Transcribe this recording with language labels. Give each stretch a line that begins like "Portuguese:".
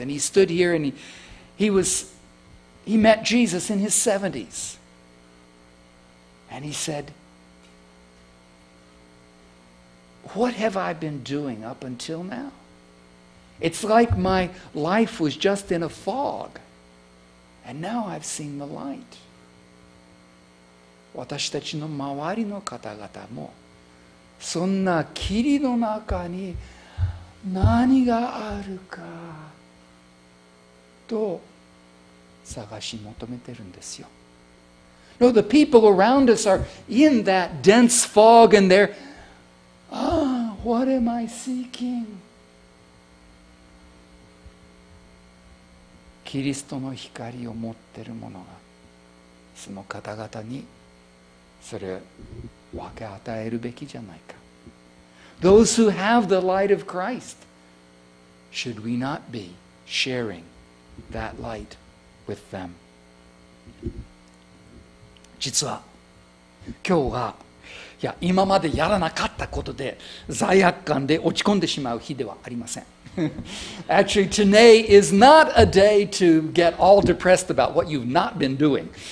English: And he stood here and he met Jesus in his 70s. And he said, "What have I been doing up until now? It's like my life was just in a fog. And now I've seen the light."
Japanese: 私たちの周りの方々もそんな霧の中に何があるかと探し求めてるんですよ。
English: No, the people around us are in that dense fog and they're, what am I seeking?
Japanese: キリストの光を持ってる者がその方々にそれを分け与えるべきじゃないか。
English: Those who have the light of Christ, should we not be sharing that light with them?
Japanese: 実は今日は、いや今までやらなかったことで罪悪感で落ち込んでしまう日ではありません。
English: Actually, today is not a day to get all depressed about what you've not been doing.